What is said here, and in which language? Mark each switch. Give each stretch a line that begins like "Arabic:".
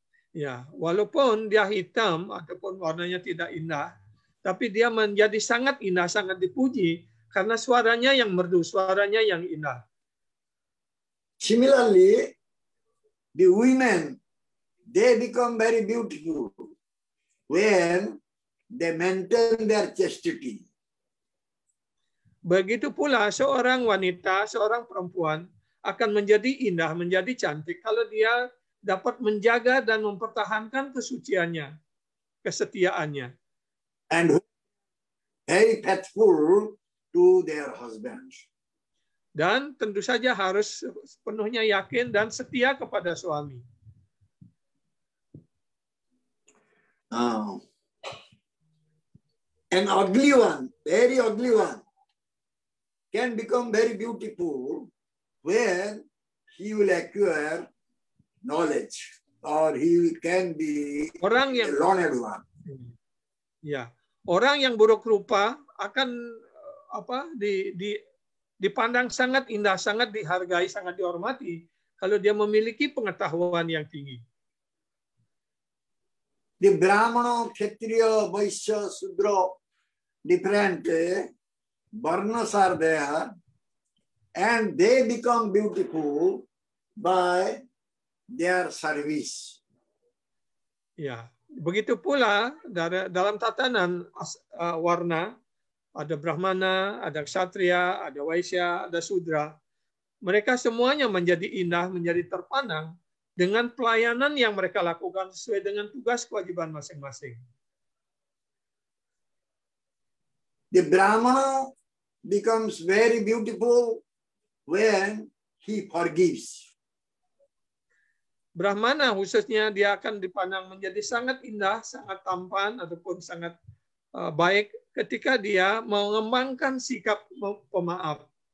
Indonesian: Ya, walaupun dia hitam ataupun warnanya tidak indah, tapi dia menjadi sangat indah, sangat dipuji karena suaranya yang merdu, suaranya yang indah.
English: Similarly, the women, they become very beautiful when they maintain their chastity.
Indonesian: Begitu pula seorang wanita, seorang perempuan akan menjadi indah, menjadi cantik kalau dia dapat menjaga dan mempertahankan kesuciannya, kesetiaannya.
English: And very faithful to their husbands.
Indonesian: Dan tentu saja harus sepenuhnya yakin dan setia kepada suami.
English: An ugly one, very ugly one, can become very beautiful when he will acquire knowledge, or he can be
Indonesian: orang yang,
English: a learned one.
Indonesian: Ya, orang yang buruk rupa akan apa dipandang sangat indah, sangat dihargai, sangat dihormati kalau dia memiliki pengetahuan yang tinggi.
English: The Brahmana, Kshatriya, Vaishya, Sudra, different varnas are there, and they become beautiful by their service.
Indonesian: Ya, begitu pula dalam tatanan warna. Ada Brahmana, ada Kshatriya, ada Vaishya, ada Sudra. Mereka semuanya menjadi indah, menjadi terpandang dengan pelayanan yang mereka lakukan sesuai dengan tugas kewajiban masing-masing.
English: The Brahmana becomes very beautiful when he forgives.
Indonesian: Brahmana khususnya dia akan dipandang menjadi sangat indah, sangat tampan ataupun sangat baik ketika dia mengembangkan sikap pemaaf.